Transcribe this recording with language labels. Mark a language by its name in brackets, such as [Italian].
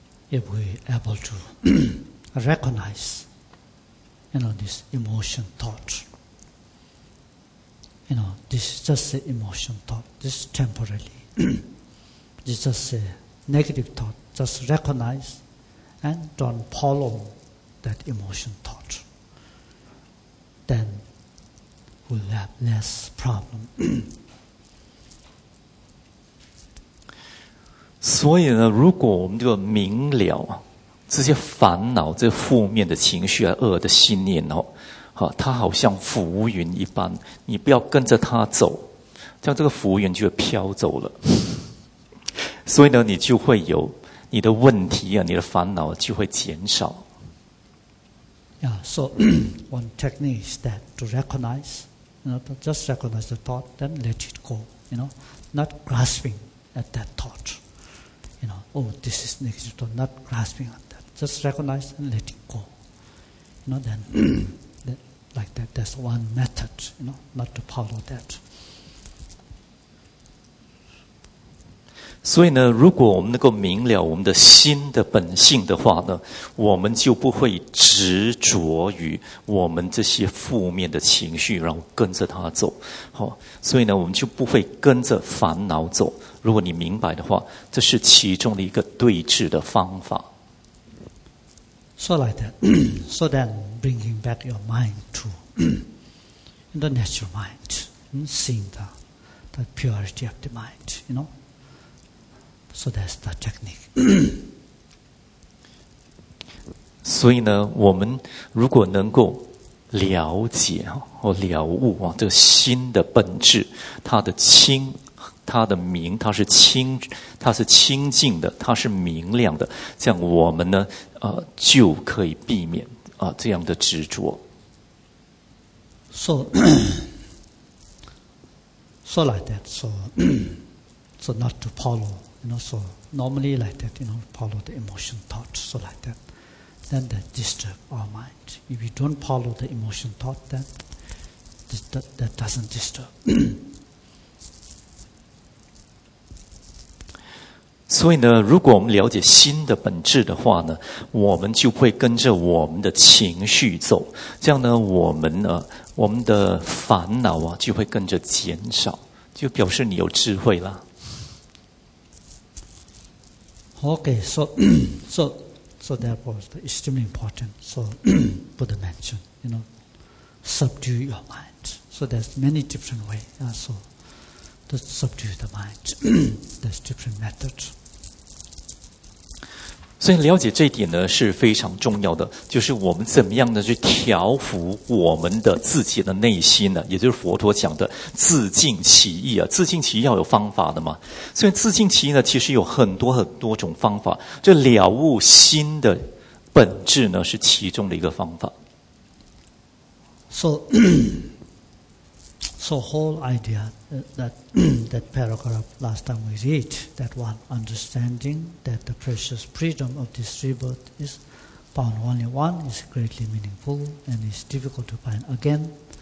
[English] If we are able to recognize, you know, this emotion thought, you know, this is just an emotion thought, this is temporarily, this is just a negative thought, just recognize and don't follow that emotion thought, then we'll have less problem. [Chinese] 所以呢，如果我们就明了这些烦恼、这些负面的情绪啊、恶的信念哦，它好像浮云一般，你不要跟着它走，这样这个浮云就会飘走了。所以呢，你就会有你的问题啊，你的烦恼就会减少。 [English] Yeah, so one technique is that to recognize, you know, to just recognize the thought, then let it go, you know, not grasping at that thought, you know, oh, this is negative thought, not grasping at that, just recognize and let it go, you know, then, that, like that, that's one method, you know, not to follow that. [Chinese] 所以呢，如果我们能够明了我们的心的本性的话呢，我们就不会执着于我们这些负面的情绪，然后跟着它走。好，所以呢，我们就不会跟着烦恼走。如果你明白的话，这是其中的一个对治的方法。 [English] So like that, so then bringing back your mind to the natural mind, seeing the purity of the mind, you know. So that's the technique. [Chinese] 所以呢，我们如果能够了解或了悟啊，这个心的本质，它的清，它的明，它是清，它是清净的，它是明亮的。这样我们呢，就可以避免啊这样的执着。 [English] So like that. So not to follow. You know, so normally like that, you know, follow the emotion thought, so like that. Then that disturbs our mind. If we don't follow the emotion thought, then that doesn't disturb. [Chinese] 所以呢，如果我们了解心的本质的话呢，我们就会跟着我们的情绪走。这样呢，我们的烦恼啊，就会跟着减少，就表示你有智慧了。 [English] Okay, so that was extremely important. So Buddha mentioned, you know, subdue your mind. So there's many different ways. So to subdue the mind, there's different methods. [Chinese] 所以了解这一点呢是非常重要的，就是我们怎么样的去调伏我们的自己的内心呢，也就是佛陀讲的自净其意啊，自净其意要有方法的嘛。所以自净其意呢，其实有很多很多种方法，这了悟心的本质呢是其中的一个方法。 [English] So whole idea that paragraph last time we read, that one understanding that the precious freedom of this rebirth is found only one is greatly meaningful and is difficult to find again.